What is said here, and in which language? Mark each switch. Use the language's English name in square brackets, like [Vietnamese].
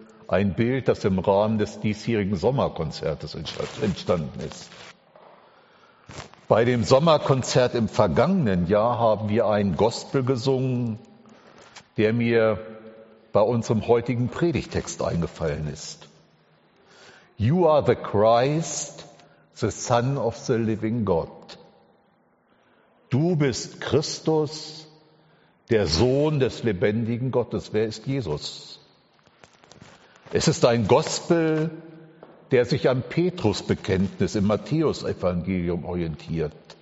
[German] Ein Bild, das im Rahmen des diesjährigen Sommerkonzertes entstanden ist. Bei dem Sommerkonzert im vergangenen Jahr haben wir einen Gospel gesungen, der mir bei unserem heutigen Predigtext eingefallen ist. [English] You are the Christ, the Son of the living God. [German] Du bist Christus, der Sohn des lebendigen Gottes. Wer ist Jesus? Es ist ein Gospel, der sich am Petrusbekenntnis im Matthäusevangelium orientiert.